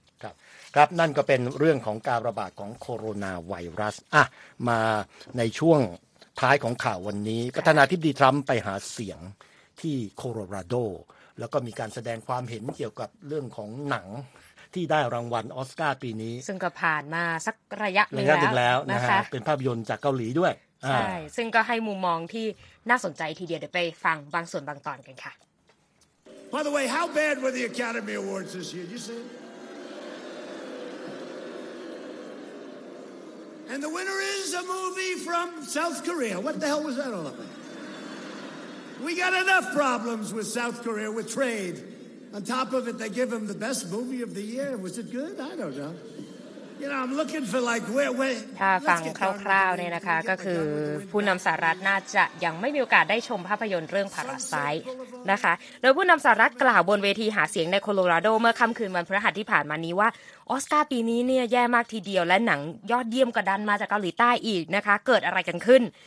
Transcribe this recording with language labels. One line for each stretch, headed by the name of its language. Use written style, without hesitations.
Thai: ครับครับนั่นก็เป็นเรื่องของการระบาดของโคโรนาไวรัสอ่ะมาในช่วงท้ายของข่าววันนี้ประธานาธิบดีทรัมป์ไปหาเสียงที่โคโลราโด แล้วก็มีการแสดงความเห็นเกี่ยวกับเรื่องของหนังที่ได้รางวัลออสการ์ปีนี้ซึ่งก็ผ่านมาสักระยะหนึ่งแล้ว นะคะเป็นภาพยนตร์จากเกาหลีด้วย ใช่ซึ่งก็ให้มุมมองที่น่าสนใจทีเดียวเดี๋ยวไปฟังบางส่วนบางตอนกันค่ะ
English: By the way how bad were the Academy Awards this year you see And the winner is a movie from South Korea What the hell was that all about We got enough problems with South Korea with tradeOn top of it, they give him the best movie of the year. Was it good? I don't know. You know, I'm looking for like where.
Thai: ถ้าฟังคร่าวๆเนี่ยนะคะก็คือผู้นำสหรัฐน่าจะยังไม่มีโอกาสได้ชมภาพยนตร์เรื่อง Parasite นะคะโดยผู้นำสหรัฐกล่าวบนเวทีหาเสียงในโคโลราโดเมื่อค่ำคืนวันพฤหัสที่ผ่านมานี้ว่าออสการ์ปีนี้เนี่ยแย่มากทีเดียวและหนังยอดเยี่ยมก็ดันมาจากเกาหลีใต้อีกนะคะเกิดอะไรกันขึ้น